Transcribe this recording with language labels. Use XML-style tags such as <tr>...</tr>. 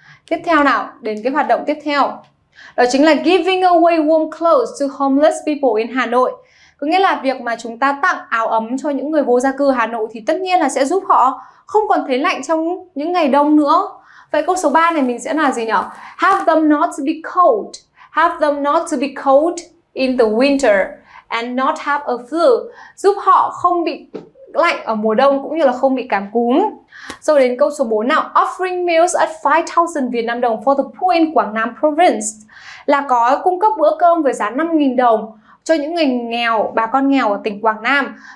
<vi>Tiếp theo nào, đến cái hoạt động tiếp theo. Đó chính là</vi> <en>giving away warm clothes to homeless people in Hà Nội.</en> <vi>Có nghĩa là việc mà chúng ta tặng áo ấm cho những người vô gia cư Hà Nội thì tất nhiên là sẽ giúp họ không còn thấy lạnh trong những ngày đông nữa. Vậy câu số 3 này mình sẽ là gì nhỉ?</vi> <en>Have them not to be cold. Have them not to be cold in the winter and not have a flu.</en> <vi>Giúp họ không bị lạnh ở mùa đông cũng như là không bị cảm cúm. Rồi đến câu số 4 nào.</vi> <en>Offering meals at 5,000 Việt Nam đồng for the poor in Quảng Nam province.</en> <vi>Là có cung cấp bữa cơm với giá 5,000 đồng cho những người nghèo, bà con nghèo ở tỉnh Quảng Nam.</vi>